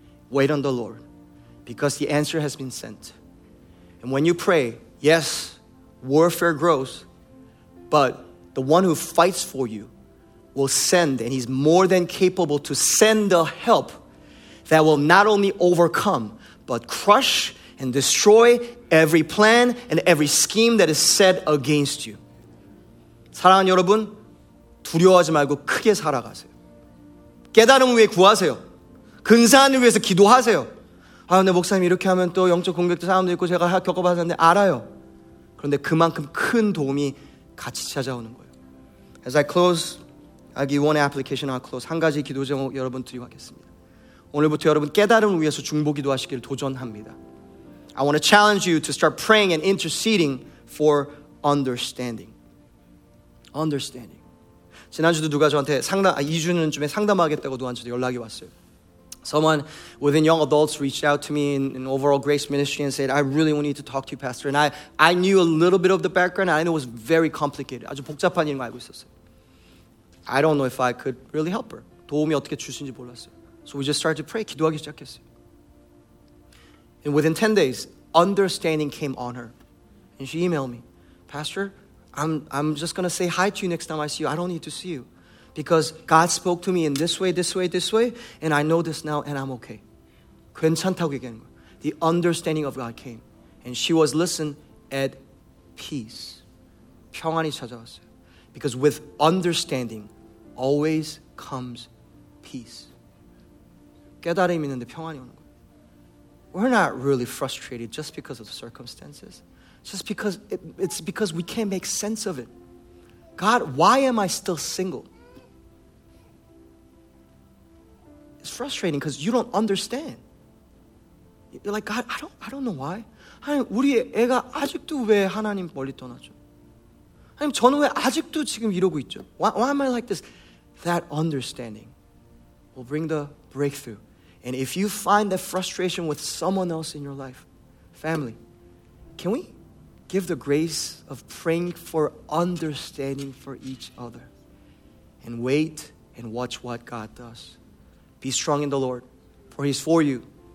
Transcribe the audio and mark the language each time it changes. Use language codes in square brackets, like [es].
[en] Wait on the Lord, because the answer has been sent. And when you pray, yes, warfare grows, but the one who fights for you will send, and he's more than capable to send the help that will not only overcome, but crush and destroy every plan and every scheme that is set against you. [ko] 사랑하는 여러분, 두려워하지 말고 크게 살아가세요. 깨달음을 위해 구하세요. 근사함을 위해서 기도하세요. 아, 근데 목사님 이렇게 하면 또 영적 공격도 사람도 있고 제가 겪어봤는데 알아요. 그런데 그만큼 큰 도움이 같이 찾아오는 거예요. [en] As I close, I give one application, I'll close. [ko] 한 가지 기도 제목 여러분 드리겠습니다. 오늘부터 여러분 깨달음을 위해서 중보 기도하시기를 도전합니다. [en] I want to challenge you to start praying and interceding for understanding. Understanding. [ko] 지난주도 누가 저한테 상담, 2주는 좀 상담하겠다고 누구한테 연락이 왔어요. [en] Someone within young adults reached out to me in overall grace ministry and said, I really need to talk to you, pastor. And I knew a little bit of the background. I knew it was very complicated. [ko] 아주 복잡한 일인 거 알고 있었어요. [en] I don't know if I could really help her. [ko] 도움이 어떻게 주신지 몰랐어요. [en] So we just started to pray, [ko] 기도하기 시작했어요. [en] And within 10 days, understanding came on her. And she emailed me, pastor, I'm just going to say hi to you next time I see you. I don't need to see you. Because God spoke to me in this way, this way, this way, and I know this now, and I'm okay. [ko] 괜찮다고 얘기하는 거예요. [en] The understanding of God came. And she was, listen, at peace. [ko] 평안이 찾아왔어요. [en] Because with understanding always comes peace. [ko] 깨달음이 있는데 평안이 오는 거예요. [en] We're not really frustrated just because of the circumstances. Just because it's because we can't make sense of it. God, why am I still single? It's frustrating because you don't understand. You're like, God, I don't know why. [ko] 하나님, 우리 애가 아직도 왜 하나님 멀리 떠나죠? 하나님, 저는 왜 아직도 지금 이러고 있죠? [en] Why am I like this? That understanding will bring the breakthrough. And if you find that frustration with someone else in your life, family, can we give the grace of praying for understanding for each other? And wait and watch what God does. Be strong in the Lord, for He's for you.